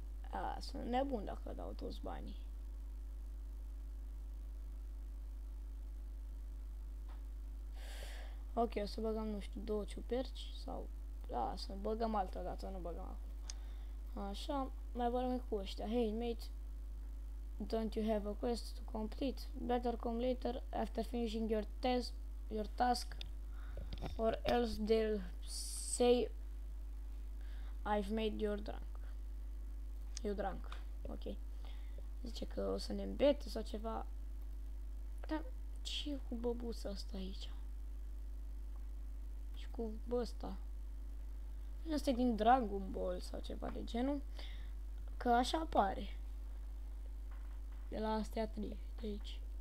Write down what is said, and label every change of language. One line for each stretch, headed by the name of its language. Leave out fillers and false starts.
Romanian: A, sunt nebun dacă dau toți banii. Ok, o să băgăm, nu știu, două ciuperci sau... Da, să băgăm altă dată, nu băgăm acum. Așa, mai vorbim cu ăștia.
English: Hey, mate, don't you have a quest to complete? Better come later after finishing your task, or else they'll say I've made you drunk. You drunk. Ok.
Romanian: Zice că o să ne îmbete sau ceva. Dar ce e cu băbuța asta aici? Și cu ăsta. Asta e din Dragon Ball sau ceva de genul. Că așa apare. De la astea trei, de aici.